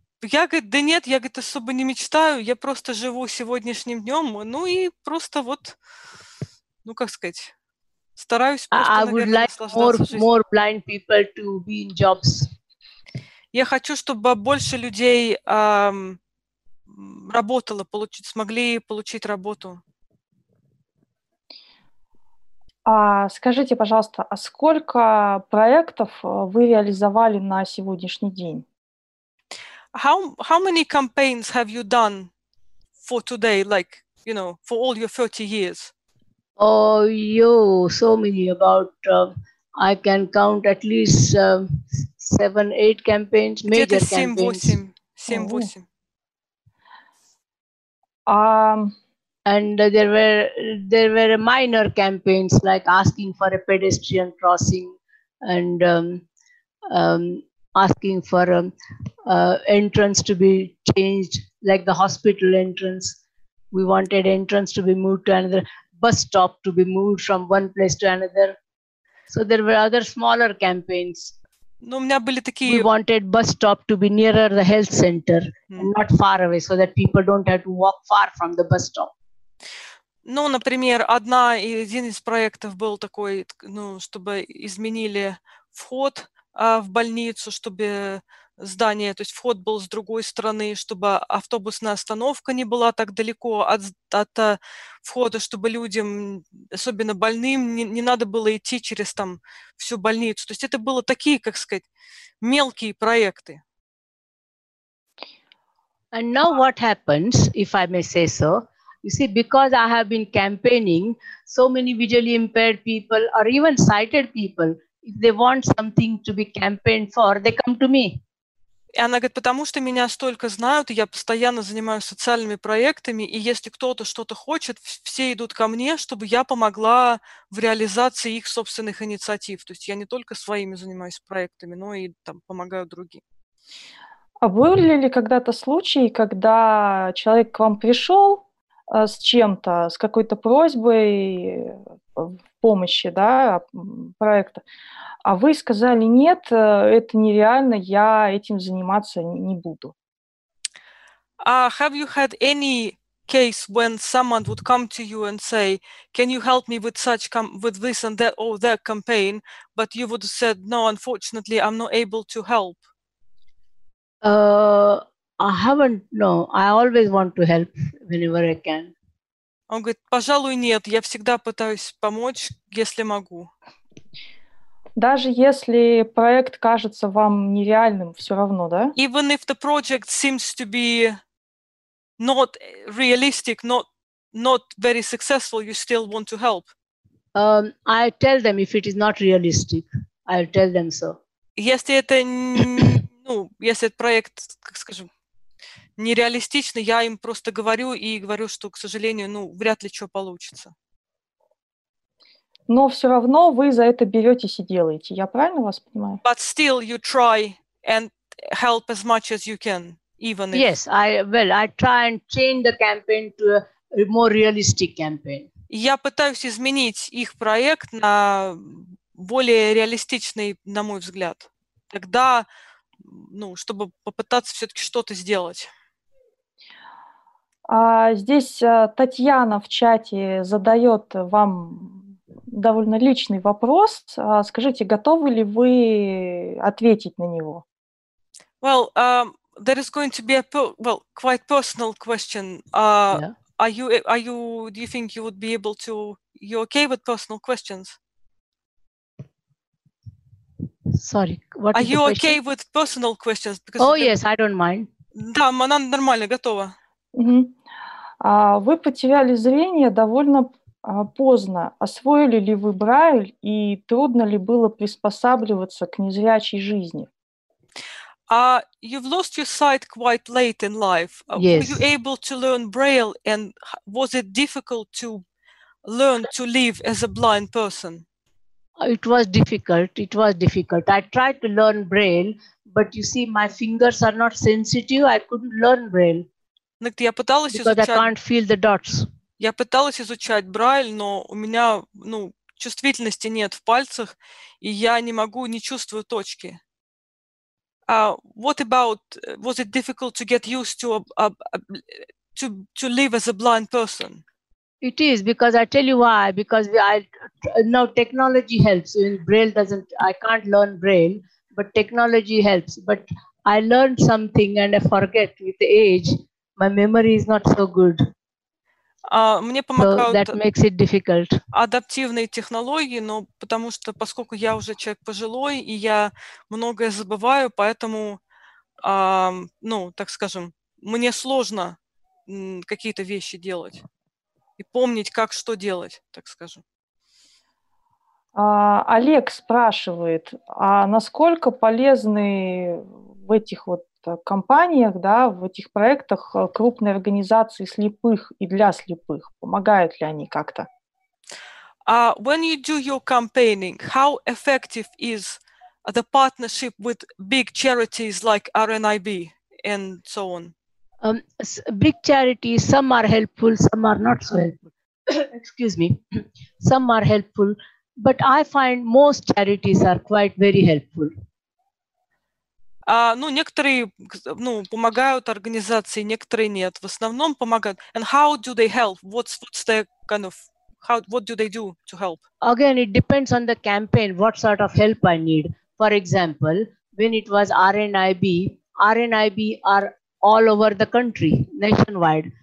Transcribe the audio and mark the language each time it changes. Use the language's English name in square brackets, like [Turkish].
[Russian] Я, говорит, да нет, я, говорит, особо не мечтаю. Я просто живу сегодняшним днем. Ну и просто вот, ну как сказать, стараюсь просто, наверное, наслаждаться жизнью. [English] I would like more blind people to be in jobs. [Russian] Я хочу, чтобы больше людей работало, смогли получить работу. Скажите, пожалуйста, а сколько проектов вы реализовали на сегодняшний день? [English] How many campaigns have you done for today, like, you know, for all your 30 years? So many, about, I can count at least 7-8 campaigns, major campaigns. [Russian] Где-то 7-8. [English] And there were minor campaigns like asking for a pedestrian crossing and asking for entrance to be changed, like the hospital entrance. We wanted entrance to be moved to another, bus stop to be moved from one place to another. So there were other smaller campaigns. [Russian] Но у меня были такие... [English] We wanted bus stop to be nearer the health center, and not far away, so that people don't have to walk far from the bus stop. [Russian] Ну, например, один из проектов был такой, ну, чтобы изменили вход в больницу, чтобы здание, то есть вход был с другой стороны, чтобы автобусная остановка не была так далеко от входа, чтобы людям, особенно больным, не надо было идти через там всю больницу. То есть это было такие, как сказать, мелкие проекты. [English] And now what happens, if I may say so? You see, because I have been campaigning, so many visually impaired people or even sighted people, if they want something to be campaigned for, they come to me. [Russian] И она говорит, потому что меня столько знают, я постоянно занимаюсь социальными проектами, и если кто-то что-то хочет, все идут ко мне, чтобы я помогла в реализации их собственных инициатив. То есть я не только своими занимаюсь проектами, но и там помогаю другим. А были ли когда-то случаи, когда человек к вам пришел с чем-то, с какой-то просьбой помощи, да, проекта, а вы сказали, нет, это нереально, я этим заниматься не буду. [English] Have you had any case when someone would come to you and say, can you help me with such with this and that or that campaign, but you would have said, no, unfortunately, I'm not able to help? I haven't, no. I always want to help whenever I can. [Russian] Он говорит, пожалуй, нет, я всегда пытаюсь помочь, если могу. Даже если проект кажется вам нереальным, все равно, да? [English] Even if the project seems to be not realistic, not very successful, you still want to help. I tell them if it is not realistic, I'll tell them so. [Russian] Если это, ну, если этот проект, как скажем, нереалистично, я им просто говорю и говорю, что, к сожалению, ну, вряд ли что получится. Но все равно вы за это беретесь и делаете. Я правильно вас понимаю? [English] But still you try and help as much as you can, even if... Yes, I try and change the campaign to a more realistic campaign. [Russian] Я пытаюсь изменить их проект на более реалистичный, на мой взгляд. Тогда... Ну, чтобы попытаться все-таки что-то сделать. Здесь Татьяна в чате задает вам довольно личный вопрос. Скажите, готовы ли вы ответить на него? [English] Well, there is going to be a quite personal question. Yeah. Do you think you would be able to? You okay with personal questions? Sorry, what are is you the okay question? With personal questions? Because oh, yes, I don't mind. [Russian] Да, она нормально, готова. Mm-hmm. Вы потеряли зрение довольно поздно. Освоили ли вы Брайль и трудно ли было приспосабливаться к незрячей жизни? [English] You've lost your sight quite late in life. Yes. Were you able to learn Braille and was it difficult to learn to live as a blind person? It was difficult. I tried to learn Braille, but you see, my fingers are not sensitive. I couldn't learn Braille. [Russian] Я пыталась [English] because [Russian] изучать, [English] I can't feel the dots. [Russian] Я пыталась изучать Брайль, но у меня, ну, чувствительности нет в пальцах, и я не могу, не чувствую точки. [English] What about, was it difficult to get used to live as a blind person? It is, because I tell you why, because now technology helps. Braille doesn't, I can't learn Braille, but technology helps. But I learned something and I forget with the age. My memory is not so good. [Russian] Мне помогают [English] so that makes it difficult. [Russian] Адаптивные технологии, но потому что, поскольку я уже человек пожилой, и я многое забываю, поэтому, ну, так скажем, мне сложно какие-то вещи делать и помнить, как что делать, так скажем. Олег спрашивает, а насколько полезны в этих вот компаниях, да, в этих проектах крупные организации слепых и для слепых, помогают ли они как-то? [English] When you do your campaigning, how effective is the partnership with big charities like RNIB and so on? Big charities, some are helpful, some are not so helpful. Excuse me. Some are helpful, but I find most charities are quite very helpful. Ну, некоторые, ну, помогают организации, некоторые нет. В основном помогают. And how do they help? What's the kind of, how, what do they do to help? Again, it depends on the campaign, what sort of help I need. For example, when it was RNIB, RNIB are all over the country, nationwide.